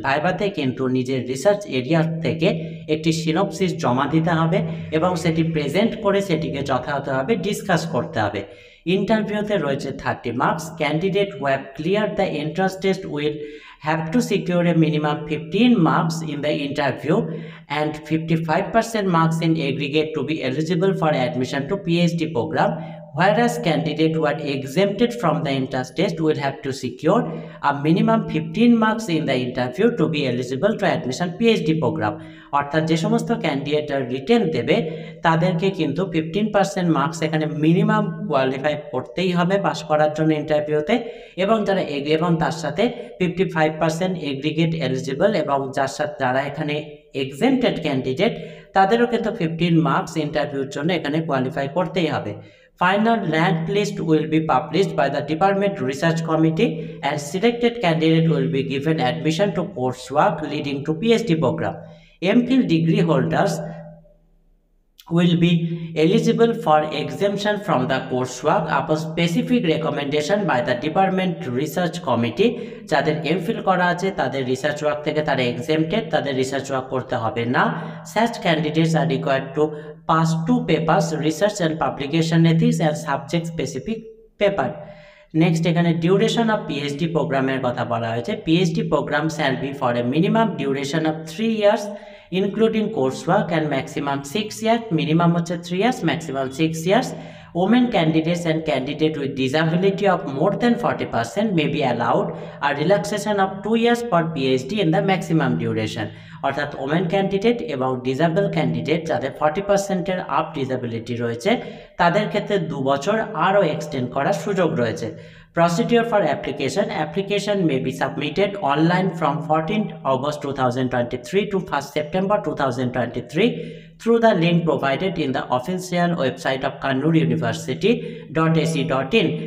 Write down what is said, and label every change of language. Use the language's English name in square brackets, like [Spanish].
[Bangla] ভাইবাতে কিন্তু নিজের research area থেকে একটি সিনোপসিস জমা দিতে হবে এবং সেটি প্রেজেন্ট করে সেটিকে যথাযথভাবে ডিসকাস করতে হবে. ইন্টারভিউতে রয়েছে 30 marks. [English] Candidate who have clear the entrance test will have to secure a minimum 15 marks in the interview and 55% marks in aggregate to be eligible for admission to PhD program whereas candidate who are exempted from the entrance test will have to secure a minimum 15 marks in the interview to be eligible to admission PhD program. [Bangla] অর্থাৎ যে সমস্ত candidate written দেবে তাদেরকে কিন্তু 15% marks এখানে minimum qualify করতেই হবে pass করার জন্য ইন্টারভিউতে, এবং যারা এগ্রি এবং তার সাথে 55% এগ্রিগেট এলিজিবল এবং যার সাথে যারা এখানে এক্সেম্পটেড ক্যান্ডিডেট তাদেরও কিন্তু 15 মার্কস ইন্টারভিউর জন্য এখানে কোয়ালিফাই করতেই হবে। [English] Final rank list will be published by the department research committee and selected candidate will be given admission to coursework leading to PhD program. MPhil degree holders will be eligible for exemption from the coursework upon specific recommendation by the department research committee. [Bangla] যাদের MPhil করা আছে তাদের research work থেকে তারা exempted, তাদের research work করতে হবে না। [English] Such candidates are required to pass 2 papers, research and publication ethics and subject specific paper. Next, এখানে duration of PhD programmer [Bangla] কথা বলা হয়েছে। [English] PhD program shall be for a minimum duration of 3 years including coursework and maximum 6 years, minimum হচ্ছে 3 years, maximum 6 years. Women candidates and candidate with disability of more than 40% may be allowed a relaxation of 2 years per PhD in the maximum duration. [Bangla] অর্থাৎ women candidate এবং disable candidate যাদের 40%-এর up disability রয়েছে তাদের ক্ষেত্রে 2 বছর আরও extend করার সুযোগ রয়েছে। [English] Procedure for application, application may be submitted online from 14th August 2023 to 1st September 2023 through the link provided in the official website of Kannur university .ac.in।